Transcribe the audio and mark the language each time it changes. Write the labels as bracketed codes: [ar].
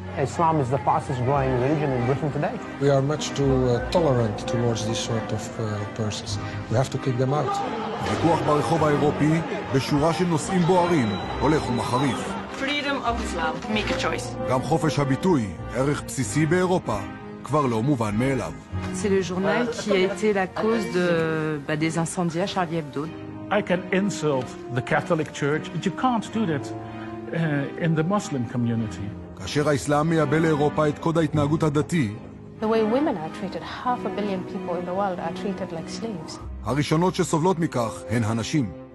[en] Islam is the fastest growing religion in Britain today. We are much too tolerant towards this sort of persons. We have to kick them out. [he] ויכוח ברחוב האירופי בשורה של נושאים בוערים הולך ומחריף. [en] Freedom of Islam, make a choice. [he] גם חופש הביטוי, ערך בסיסי באירופה, כבר לא מובן מאליו. [fr] C'est le journal qui a été la cause de, bah, des incendies à Charlie Hebdo. [en] I can insult the Catholic Church, but you can't do that in the Muslim community. [he] כאשר האסלאם מייבא לאירופה את קוד ההתנהגות הדתי, [en] the way women are treated, half a billion people in the world are treated like slaves. [he] הראשונות שסובלות מכך הן הנשים.